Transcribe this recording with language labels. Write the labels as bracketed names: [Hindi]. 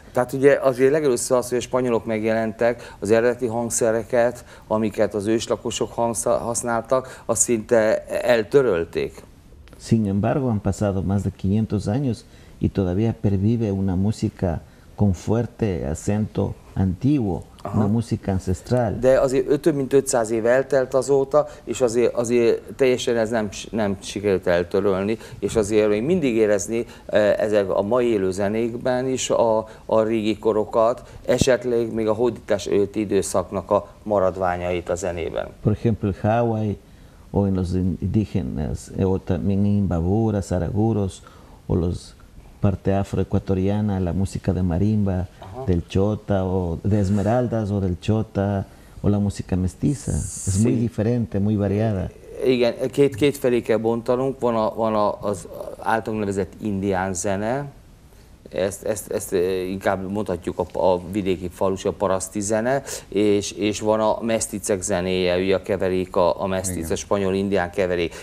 [Hungarian] Ah, tehát ugye azért legelőször az, hogy a spanyolok megjelentek, az eredeti hangszereket, amiket az őslakosok használtak, azt szinte eltörölték. [Spanish] Sin embargo, han pasado más de 500 años y todavía pervive una música con fuerte acento antiguo, aha, una música ancestral. [Hungarian] De azért több mint 500 év eltelt azóta, és azért teljesen ez nem sikerült eltörölni, és azért még mindig érezni ezek a mai élő zenékben is a régi korokat, esetleg még a hódítás előtti időszaknak a maradványait a zenében. [Spanish] Por ejemplo, Hawái, o en los indígenas, o también en Imbabura, Saraguros, o los parte afroecuatoriana, la música de marimba, ajá, del chota, o de esmeraldas, o del chota, o la música mestiza. Sí. Es muy diferente, muy variada. [Hungarian] Igen, két felé kell bontanunk. Van az általunk nevezett indián zene, ezt inkább mondhatjuk a vidéki falusi, a paraszti zene, és van a meszticek zenéje, ugye a keverék, a mesztic, a spanyol-indián keverék.